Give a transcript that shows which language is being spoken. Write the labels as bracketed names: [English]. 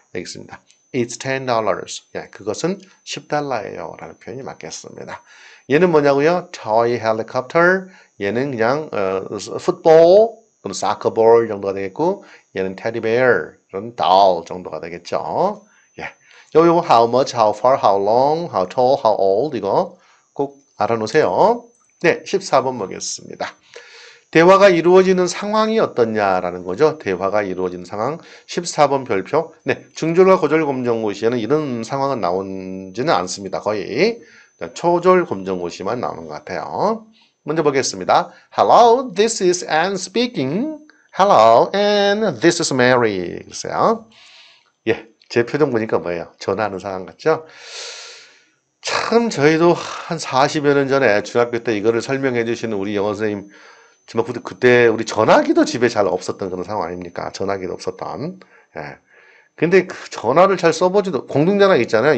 [Korean] 여기 있습니다. [English] It's $10. [Korean] 예, 그것은 $10예요. 라는 표현이 맞겠습니다. 얘는 뭐냐고요? Toy helicopter. 얘는 그냥 풋볼, 그럼 사커볼 정도가 되겠고, 얘는 테디베어, 그럼 달 정도가 되겠죠. 예. 요요 [English] how much, how far, how long, how tall, how old [Korean] 이거 꼭 알아놓으세요. 네, 14번 보겠습니다. 대화가 이루어지는 상황이 어떠냐라는 거죠. 대화가 이루어지는 상황. 14번 별표. 네, 중졸과 고졸 검정고시에는 이런 상황은 나오지는 않습니다. 거의. 초졸 검정고시만 나오는 것 같아요. 먼저 보겠습니다. [English] Hello, this is Anne speaking. Hello, Anne, this is Mary. [Korean] 글쎄요. 예, 제 표정 보니까 뭐예요? 전화하는 상황 같죠? 참, 저희도 한 40여 년 전에 중학교 때 이거를 설명해 주시는 우리 영어 선생님, 정말 그때 우리 전화기도 집에 잘 없었던 그런 상황 아닙니까? 전화기도 없었던. 예. 근데 그 전화를 잘 써보지도, 공중전화기 있잖아요.